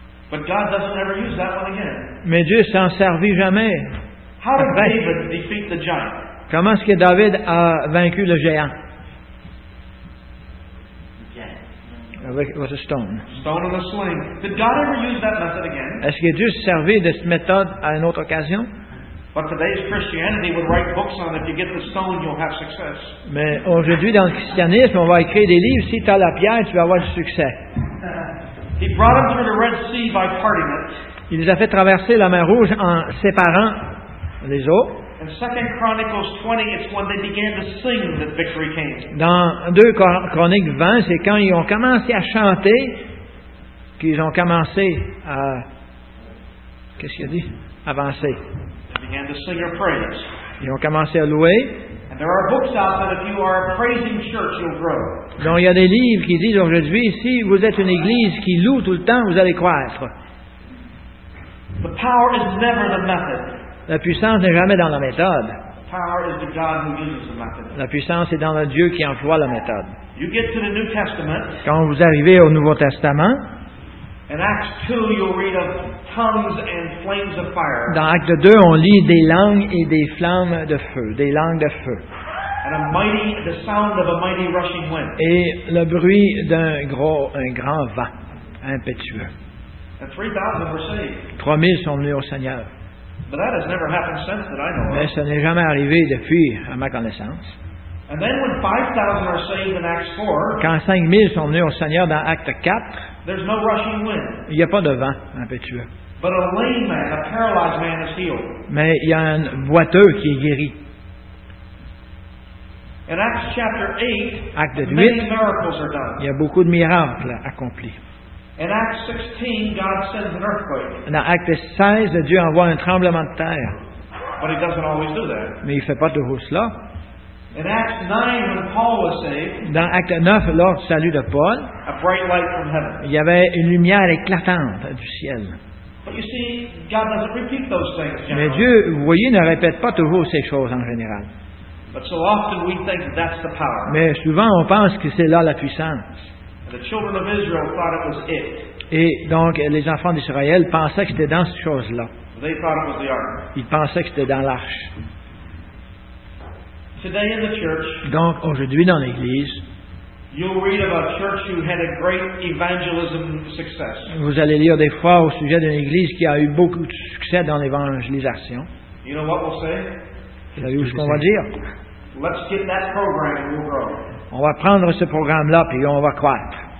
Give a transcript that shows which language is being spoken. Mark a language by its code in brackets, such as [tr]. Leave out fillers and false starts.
[en] But God doesn't ever use that one again. [fr] Mais Dieu s'en servit jamais. [en] How did David defeat the giant? [fr] Comment est-ce que David a vaincu le géant? [en] With a stone. Stone and a sling. Did God ever use that method again? [fr] Est-ce que Dieu s'est servi de cette méthode à une autre occasion? [en] But today's Christianity would write books on if you get the stone, you'll have success. [fr] Mais aujourd'hui dans le christianisme, on va écrire des livres si tu as la pierre, tu vas avoir du succès. [en] He brought them through the Red Sea by parting it. [fr] Il les a fait traverser la mer Rouge en séparant les eaux. [en] In 2 Chronicles 20, it's when they began to sing that victory came. [fr] Dans 2 Chroniques 20, c'est quand ils ont commencé à chanter qu'ils ont commencé à qu'est-ce qu'il a dit? Avancer. [en] They began to sing their praise. [fr] Ils ont commencé à louer. [en] And there are books out that if you are a praising church, you'll grow. [fr] Donc il y a des livres qui disent aujourd'hui si vous êtes une église qui loue tout le temps, vous allez croître. [en] The power is never the method. [fr] La puissance n'est jamais dans la méthode. [en] Power is the God who uses the method. [fr] La puissance est dans le Dieu qui emploie la méthode. [en] You get to the New Testament, [fr] quand vous arrivez au Nouveau Testament, [en] in Acts 2, you'll read of tongues and flames of fire. [fr] Dans Acte 2, on lit des langues et des flammes de feu, des langues de feu. [en] And a mighty, the sound of a mighty rushing wind. [fr] Et le bruit d'un gros, un grand vent impétueux. [en] And 3,000 were saved. [fr] 3,000 sont venus au Seigneur. [en] But that has never happened since that I know of. [fr] Mais ça n'est jamais arrivé depuis, à ma connaissance. [en] And then when 5,000 are saved in Acts 4, [fr] quand 5,000 sont venus au Seigneur dans Acte 4, [en] there's no rushing wind. [fr] Il n'y a pas de vent impétueux. [en] But a lame man, a paralyzed man is healed. [fr] Mais il y a un boiteux qui est guéri. [en] In Acts chapter 8, [fr] Acte 8, [en] many miracles are done. [fr] Il y a beaucoup de miracles accomplis. [en] In Acts 16, God sends an earthquake. [fr] Dans Acte 16, Dieu envoie un tremblement de terre. [en] But he doesn't always do that. [fr] Mais il ne fait pas toujours cela. [en] In Acts 9, when Paul was saved, [fr] dans Acte 9, lors du salut de Paul, [en] a bright light from heaven. [fr] Il y avait une lumière éclatante du ciel. [en] But you see, God doesn't repeat those things, generally. [fr] Mais Dieu, vous voyez, ne répète pas toujours ces choses en général. [en] But so often we think that's the power. [fr] Mais souvent, on pense que c'est là la puissance. [en] The children of Israel thought it was it. [fr] Et donc, les enfants d'Israël pensaient que c'était dans cette chose-là. [en] They thought it was the ark. [fr] Ils pensaient que c'était dans l'arche. [en] Today in the church, [fr] donc, aujourd'hui dans l'Église, [en] you'll read about a church who had a great evangelism success. [fr] Vous allez lire des fois au sujet d'une Église qui a eu beaucoup de succès dans l'évangélisation. [en] You know what we'll say? [fr] Vous savez ce qu'on va dire? [en] Let's get that program and we'll grow. [fr] On va prendre ce programme-là puis on va croître.